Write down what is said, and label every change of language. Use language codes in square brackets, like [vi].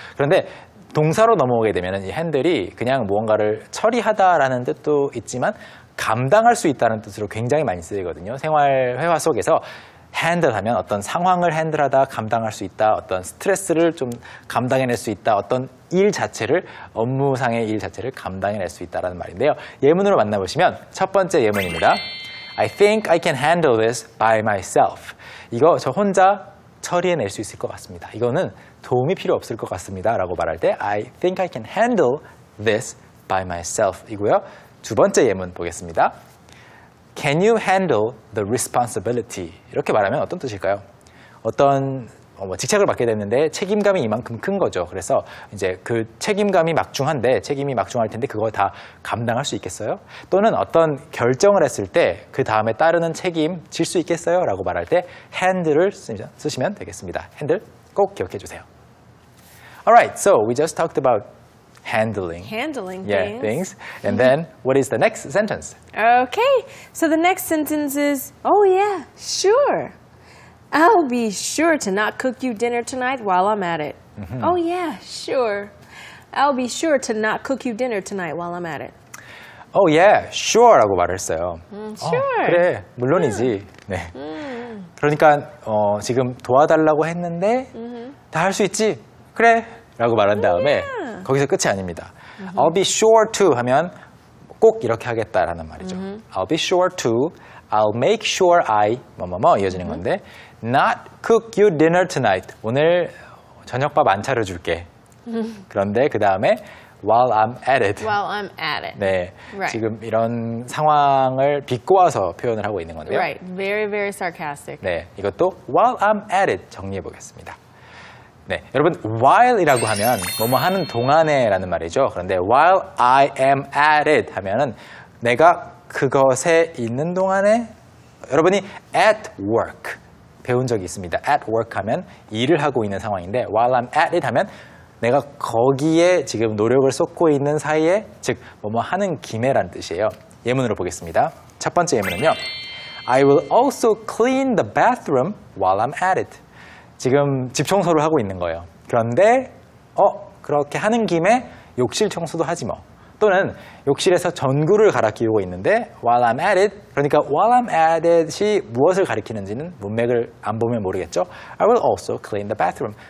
[ko] 그런데 동사로 넘어오게 되면 이 핸들이 그냥 무언가를 처리하다라는 뜻도 있지만 감당할 수 있다는 뜻으로 굉장히 많이 쓰이거든요. 생활 회화 속에서 핸들하면 어떤 상황을 핸들하다, 감당할 수 있다, 어떤 스트레스를 좀 감당해낼 수 있다, 어떤 일 자체를, 업무상의 일 자체를 감당해낼 수 있다라는 말인데요. 예문으로 만나보시면 첫 번째 예문입니다. [en] I think I can handle this by myself. [ko] 이거 저 혼자 처리해낼 수 있을 것 같습니다. 이거는 도움이 필요 없을 것 같습니다. 라고 말할 때 [en] I think I can handle this by myself. [ko] 이고요. 두 번째 예문 보겠습니다. [en] Can you handle the responsibility? [ko] 이렇게 말하면 어떤 뜻일까요? 어떤 직책을 맡게 됐는데 책임감이 이만큼 큰 거죠. 그래서 이제 그 책임감이 막중한데 책임이 막중할 텐데 그걸 다 감당할 수 있겠어요? 또는 어떤 결정을 했을 때 그 다음에 따르는 책임 질 수 있겠어요? 라고 말할 때 handle을 쓰시면 되겠습니다. handle 꼭 기억해 주세요. [en] Alright, so we just talked about handling yeah, things. And then what is the next sentence? Okay, so the next sentence is, oh yeah, sure. I'll be sure to not cook you dinner tonight while I'm at it. Mm-hmm. Oh yeah, sure. I'll be sure to not cook you dinner tonight while I'm at it. Oh yeah, sure [ko] 라고 말을 했어요. [en] Sure. [ko] 그래, 물론이지. [en] Yeah. [ko] 네. 그러니까 지금 도와달라고 했는데 다 할 수 있지. 그래. 라고 말한 다음에 거기서 끝이 아닙니다. [en] I'll be sure to [ko] 하면 꼭 이렇게 하겠다라는 말이죠. [en] I'll be sure to, I'll make sure I [ko] 뭐뭐뭐 이어지는 건데 [en] not cook you dinner tonight. [ko] 오늘 저녁밥 안 차려줄게. 그런데 그 다음에 [en] while I'm at it. While I'm at it. [ko] 네, [en] right. [ko] 지금 이런 상황을 비꼬아서 표현을 하고 있는 건데요. [en] Right. Very, very sarcastic. [ko] 네, 이것도 [en] while I'm at it [ko] 정리해 보겠습니다. 네, 여러분 while이라고 하면 뭐뭐 하는 동안에라는 말이죠. 그런데 [en] while I am at it [ko] 하면은 내가 그것에 있는 동안에 여러분이 [en] at work [ko] 배운 적이 있습니다. [en] at work [ko] 하면 일을 하고 있는 상황인데 [en] while I'm at it [ko] 하면 내가 거기에 지금 노력을 쏟고 있는 사이에 즉 뭐뭐 하는 김에란 뜻이에요. 예문으로 보겠습니다. 첫 번째 예문은요. [en] I will also clean the bathroom while I'm at it. [ko] 지금 집 청소를 하고 있는 거예요. 그런데 그렇게 하는 김에 욕실 청소도 하지 뭐. 또는 욕실에서 전구를 갈아 끼우고 있는데 [en] while I'm at it, [ko] 그러니까 while I'm at it이 무엇을 가리키는지는 문맥을 안 보면 모르겠죠. [en] I will also clean the bathroom.